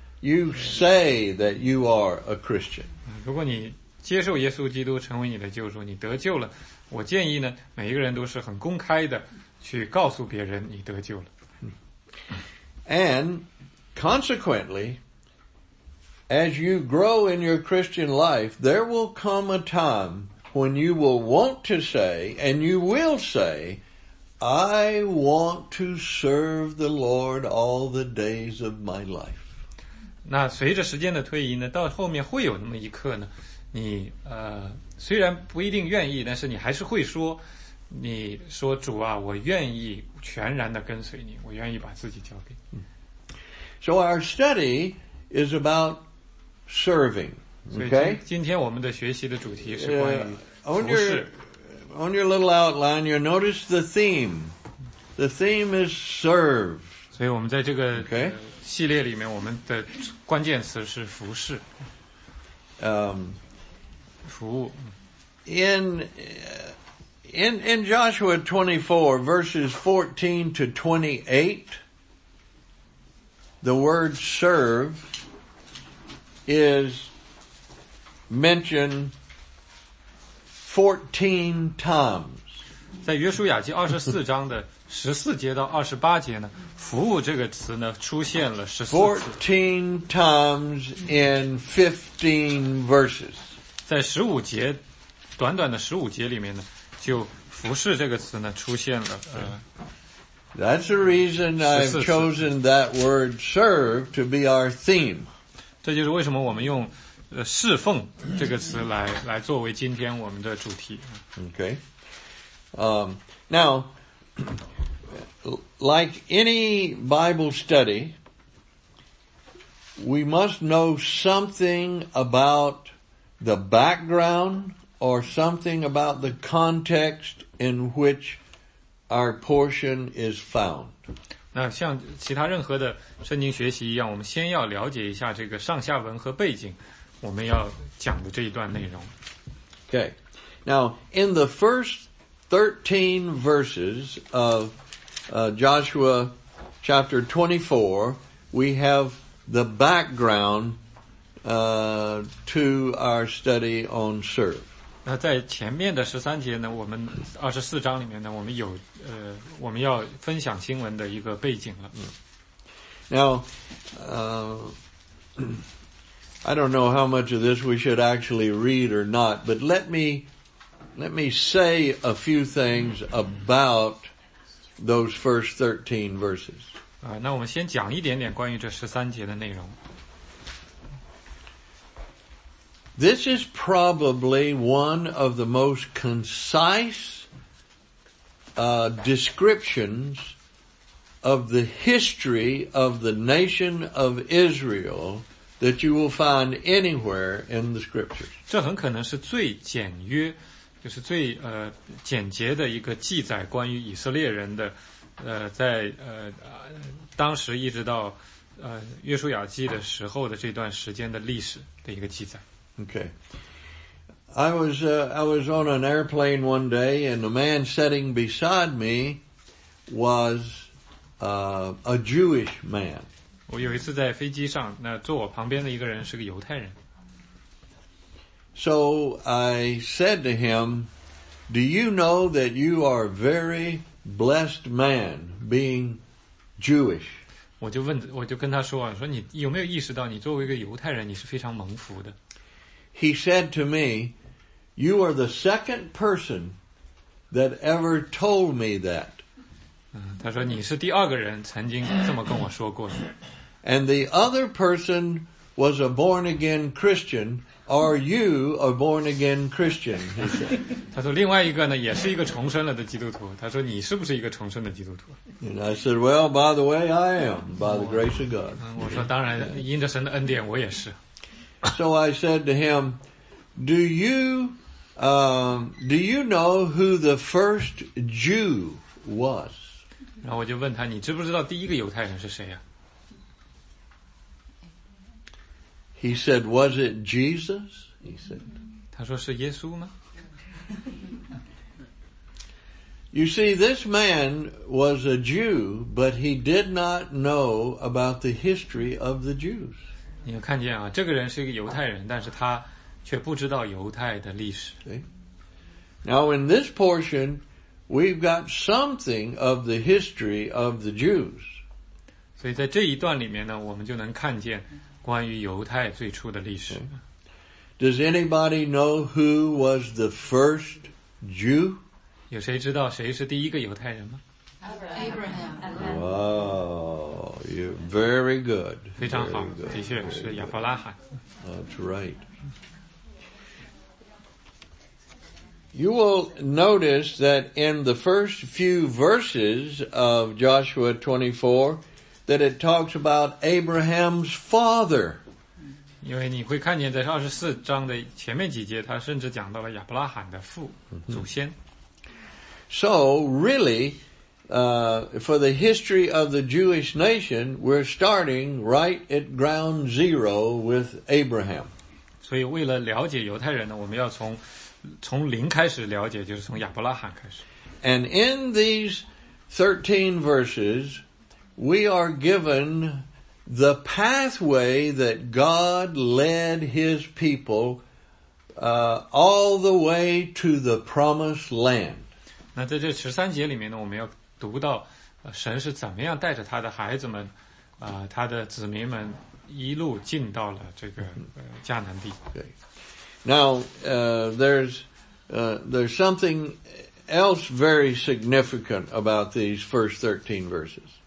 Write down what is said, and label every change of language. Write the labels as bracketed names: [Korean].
[English] You say that you are a Christian. [Chinese] 如果你接受耶稣基督成为你的救主，你得救了，我建议呢，每一个人都是很公开的去告诉别人你得救了。 [English] And consequently, as you grow in your Christian life, there will come a time when you will want to say, and you will say, I want to serve the Lord all the days of my life. [Chinese] 那随着时间的推移呢，到后面会有那么一刻呢，你虽然不一定愿意，但是你还是会说，你说主啊，我愿意全然的跟随你，我愿意把自己交给你。 [English] So our study is about serving. Okay. [Chinese] 今天我们的学习的主题是关于服侍。 [English] On your little outline, you'll notice the theme. The theme is serve. [Chinese] 所以我们在这个系列里面，我们的关键词是服侍。服务。 [English] In Joshua 24 verses 14 to 28. The word serve is mentioned 14 times. [Chinese] 在约书亚记24章的14节到28节呢，服务这个词呢出现了14次。 [English] 14 times in 15 verses. [Chinese] 在15节，短短的15节里面呢，就服侍这个词呢出现了。 [English] That's the reason I've chosen that word serve to be our theme. [Chinese] 这就是为什么我们用侍奉这个词来作为今天我们的主题。 [English] Okay. Now, like any Bible study, we must know something about the background or something about the context in whichOur portion is found. [Chinese] 那像其他任何的圣经学习一样，我们先要了解一下这个上下文和背景，我们要讲的这一段内容。 [English] Okay. Now, in the first 13 verses of Joshua chapter 24, we have the background to our study on serve. [Chinese] 那在前面的13节呢，我们24章里面呢，我们有我们要分享经文的一个背景了。 [English] Now, I don't know how much of this we should actually read or not, but let me say a few things about those first 13 verses. [Chinese] 那我们先讲一点点关于这13节的内容。 [English] This is probably one of the most concise descriptions of the history of the nation of Israel that you will find anywhere in the scriptures. [Chinese] 这很可能是最简约，就是最简洁的一个记载关于以色列人的，在当时一直到约书亚记的时候的这段时间的历史的一个记载。 [English] Okay. I was on an airplane one day, and the man sitting beside me was a Jewish man. [Chinese] 我有一次在飞机上，那坐我旁边的一个人是个犹太人。 [English] So I said to him, "Do you know that you are a very blessed man being Jewish?" [Chinese] 我就跟他说，说你有没有意识到，你作为一个犹太人，你是非常蒙福的。 [English] He said to me, "You are the second person that ever told me that." [Chinese] 他说你是第二个人曾经这么跟我说过的。 [English] And the other person was a born again Christian. Are you a born again Christian? He said. [Chinese] 他说另外一个呢也是一个重生了的基督徒。他说你是不是一个重生的基督徒 [English] ？And I said, "Well, by the way, I am by the grace of God." [Chinese] 我说当然，因着神的恩典，我也是。 [English] So I said to him, do you know who the first Jew was? [Chinese] 然后我就问他，你知不知道第一个犹太人是谁呀？ [English] He said, was it Jesus? He said. [Chinese] 他说是耶稣吗？ [English] You see, this man was a Jew, but he did not know about the history of the Jews. [Chinese] 你们看见啊，这个人是一个犹太人，但是他却不知道犹太的历史。 [English] Okay. Now in this portion, we've got something of the history of the Jews. [Chinese] 所以在这一段里面呢，我们就能看见关于犹太最初的历史。 [English] Okay. Does anybody know who was the first Jew? [Chinese] 有谁知道谁是第一个犹太人吗？ [English] Abraham. Wow, you're very good. [Chinese] 非常好，的确是亚伯拉罕。 [English] That's right. You will notice that in the first few verses of Joshua 24, that it talks about Abraham's father. [Chinese] 因为你会看见在24章的前面几节，他甚至讲到了亚伯拉罕的父祖先。 [English] So really. For the history of the Jewish nation, we're starting right at ground zero with Abraham. [Chinese] 所以为了了解犹太人呢，我们要从零开始了解，就是从亚伯拉罕开始。 [English] And in these 13 verses, we are given the pathway that God led his people, all the way to the promised land. [Chinese] 那在这13节里面呢，我们要读到神是怎么样带着他的孩子们他的子民们一路进到了这个迦南地。 [English] Okay. Now, there's something else very significant about these first 13 verses?